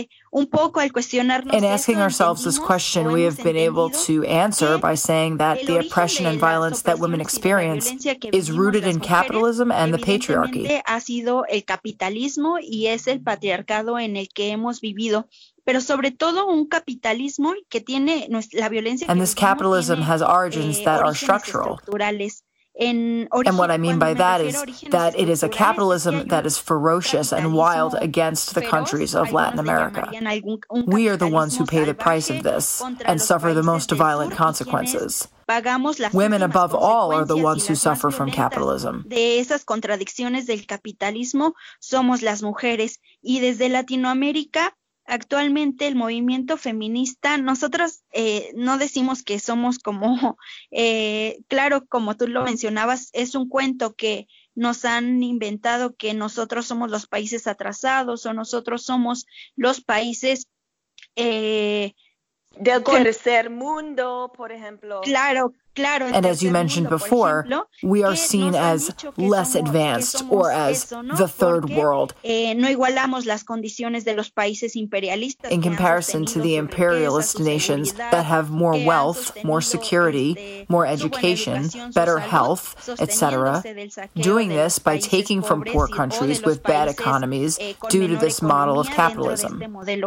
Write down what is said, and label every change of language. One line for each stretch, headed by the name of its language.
English: In asking ourselves this question, we have been able to answer by saying that the oppression and violence that women experience is rooted in capitalism and the patriarchy.
Spanish: Ha sido el capitalismo y es el patriarcado en el que hemos vivido, pero sobre todo un capitalismo que tiene la violencia.
English: And this capitalism has origins that are structural. And what I mean by that is that it is a capitalism that is ferocious and wild against the countries of Latin America. We are the ones who pay the price of this and suffer the most violent consequences. Women, above all, are the ones who suffer from capitalism.
Spanish: De esas contradicciones del capitalismo somos las mujeres. Y desde Latinoamérica, actualmente el movimiento feminista, nosotros no decimos que somos como, claro, como tú lo mencionabas, es un cuento que nos han inventado, que nosotros somos los países atrasados o nosotros somos los países del tercer mundo, por ejemplo. Claro.
English: And as you mentioned before, we are seen as less advanced or as the third world in comparison to the imperialist nations that have more wealth, more security, more education, better health, etc., doing this by taking from poor countries with bad economies due to this model of capitalism.